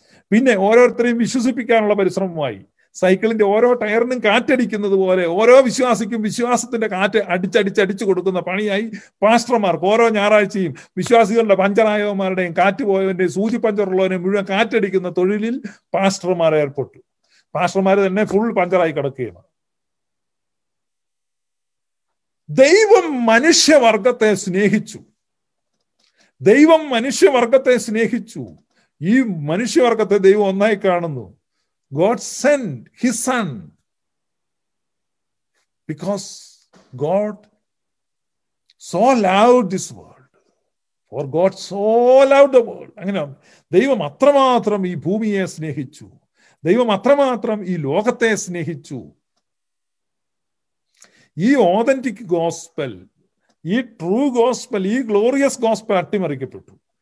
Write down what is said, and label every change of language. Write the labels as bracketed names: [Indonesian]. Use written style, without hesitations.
[Malayalam] പിന്നെ ഓരോരുത്തരെയും വിശ്വസിപ്പിക്കാനുള്ള പരിശ്രമമായി. സൈക്കിളിന്റെ ഓരോ ടയറിനും കാറ്റടിക്കുന്നത് പോലെ ഓരോ വിശ്വാസിക്കും വിശ്വാസത്തിന്റെ കാറ്റ് അടിച്ചടിച്ചടിച്ചു കൊടുക്കുന്ന പണിയായി പാസ്റ്റർമാർക്ക് ഓരോ ഞായറാഴ്ചയും വിശ്വാസികളുടെ പഞ്ചറായവന്മാരുടെയും കാറ്റ് പോയവന്റെയും സൂചി പഞ്ചറുള്ളവരെയും മുഴുവൻ കാറ്റടിക്കുന്ന തൊഴിലിൽ പാസ്റ്റർമാർ ഏർപ്പെട്ടു. പാസ്റ്റർമാർ തന്നെ ഫുൾ പഞ്ചറായി കിടക്കുകയാണ്. ദൈവം മനുഷ്യവർഗത്തെ സ്നേഹിച്ചു, ദൈവം മനുഷ്യവർഗത്തെ സ്നേഹിച്ചു. ഈ മനുഷ്യവർഗത്തെ ദൈവം ഒന്നായി കാണുന്നു. [English] God sent his son because God so loved this world. For God so loved the world. [Malayalam] അങ്ങനെ ദൈവം അത്രമാത്രം ഈ ഭൂമിയെ സ്നേഹിച്ചു, ദൈവം അത്രമാത്രം ഈ ലോകത്തെ സ്നേഹിച്ചു. ഈ ഓതന്റിക് ഗോസ്പൽ, ഈ ട്രൂ ഗോസ്പൽ, ഈ ഗ്ലോറിയസ് ഗോസ്പൽ അട്ടിമറിക്കപ്പെട്ടു.